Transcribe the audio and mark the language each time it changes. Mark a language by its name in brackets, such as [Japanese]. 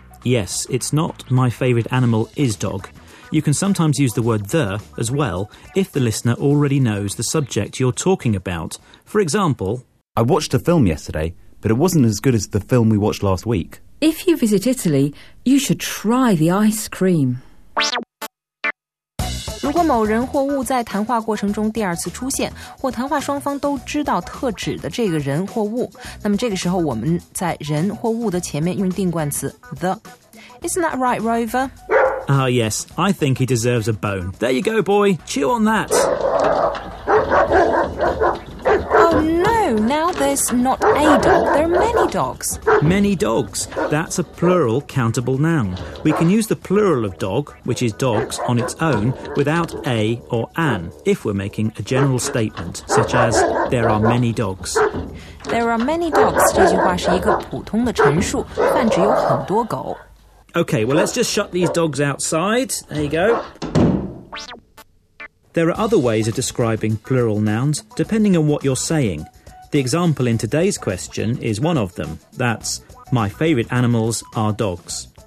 [English] Yes, it's not my favorite animal is dog. You can sometimes use the word the as well if the listener already knows the subject you're talking about. For example, I watched a film yesterday, but it wasn't as good as the film we watched last week. If you visit Italy, you should try the ice cream. [Chinese] 如果某人或物在谈话过程中第二次出现，或谈话双方都知道特指的这个人或物，那么这个时候我们在人或物的前面用定冠词 the. [English] Isn't that right, Rover? Ah, yes, I think he deserves a bone. There you go, boy. Chew on that. Oh, no. Now there's not a dog. There are many dogs. Many dogs. That's a plural countable noun. We can use the plural of dog, which is dogs, on its own, without a or an, if we're making a general statement, such as, there are many dogs. There are many dogs. [Chinese] 这句话是一个普通的陈述，泛指有很多狗。 [English] Okay, well, let's just shut these dogs outside. There you go. There are other ways of describing plural nouns, depending on what you're saying. The example in today's question is one of them. That's, my favorite animals are dogs.